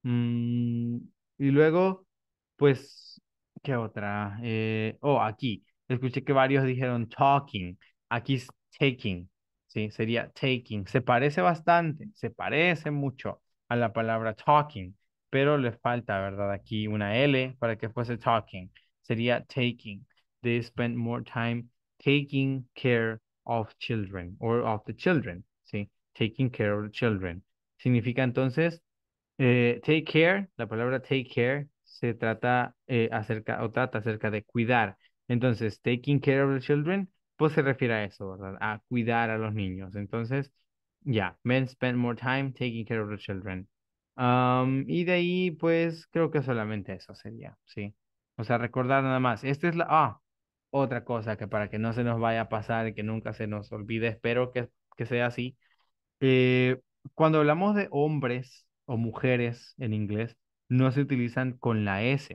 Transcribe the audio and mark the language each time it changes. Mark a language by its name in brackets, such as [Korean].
[Spanish] Y luego, pues, ¿qué otra? Aquí, escuché que varios dijeron talking, aquí es taking. Sí, sería taking. Se parece bastante, se parece mucho a la palabra talking, pero le falta, ¿verdad? Aquí una L para que fuese talking. Sería taking. [English] They spend more time taking care of children or of the children. [Spanish] Sí, [English] taking care of the children. [Spanish] Significa entonces, take care, la palabra take care se trata acerca de cuidar. Entonces, [English] taking care of the children, [Spanish] pues se refiere a eso, ¿verdad? A cuidar a los niños. [English] Entonces, men spend more time taking care of the children. [Spanish] Y de ahí, pues, creo que solamente eso sería, ¿sí? O sea, recordar nada más. Esta es otra cosa que para que no se nos vaya a pasar y que nunca se nos olvide, espero que sea así. Cuando hablamos de hombres o mujeres en inglés, no se utilizan con la S.